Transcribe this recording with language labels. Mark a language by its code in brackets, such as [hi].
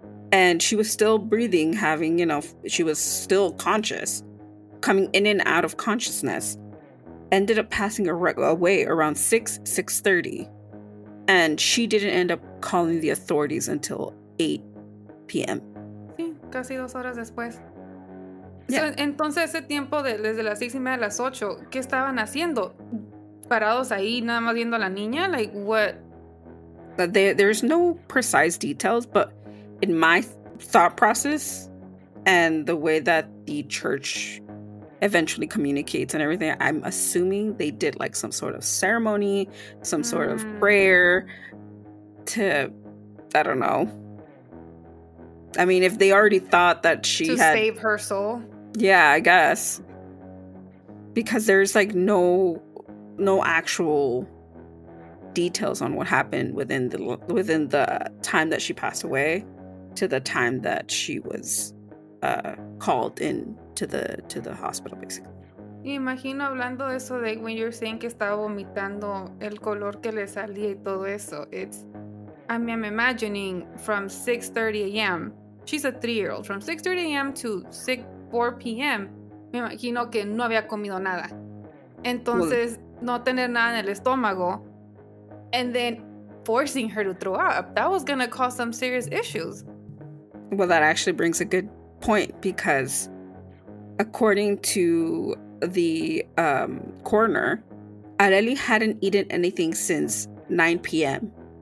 [en] And she was still breathing, having, you know, she was still conscious, coming in and out of consciousness, ended up passing away around 6:30. And she didn't end up calling the authorities until 8 p.m. [es] Sí, casi 2 horas después. Yeah. So, entonces, ese tiempo de, desde las 6:30 a las 8, ¿qué estaban haciendo? ¿Parados ahí, nada más viendo a la niña? [en] Like, what? There's no precise details, but in my thought process and the way that the church eventually communicates and everything, I'm assuming they did like some sort of ceremony, some sort of prayer to, I don't know. I mean, if they already thought that she to had... to save her soul. Yeah, I guess. Because there's like no actual details on what happened within the time that she passed away to the time that she was called in to the hospital, basically. [es] Imagino hablando de eso de [en] when you're saying [es] que estaba vomitando el color que le salía y todo eso. It's [en] I'm imagining from 6:30 a.m. She's a three-year-old. From 6:30 a.m. to 4 p.m., [es] me imagino que no había comido nada. [en] Entonces, well, [es] no tener nada en el estómago, [en] and then forcing her to throw up, that was going to cause some serious issues. Well, that actually brings a good point, because according to the coroner, Arely hadn't eaten anything since 9 p.m.